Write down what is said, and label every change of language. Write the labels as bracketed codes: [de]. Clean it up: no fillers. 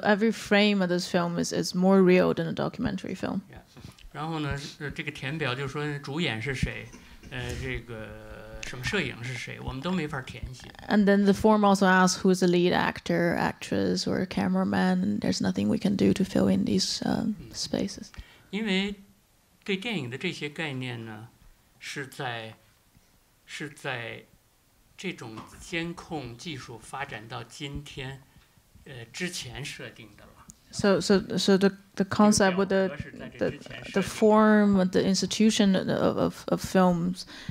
[en] every frame of this film is more real than a documentary film. Yeah. [zh] 然后呢，这个填表就说主演是谁，这个。 [en] And then the form also asks who is the lead actor, actress, or cameraman. There's nothing we can do to fill in these spaces. So the concept with the form, the institution of films.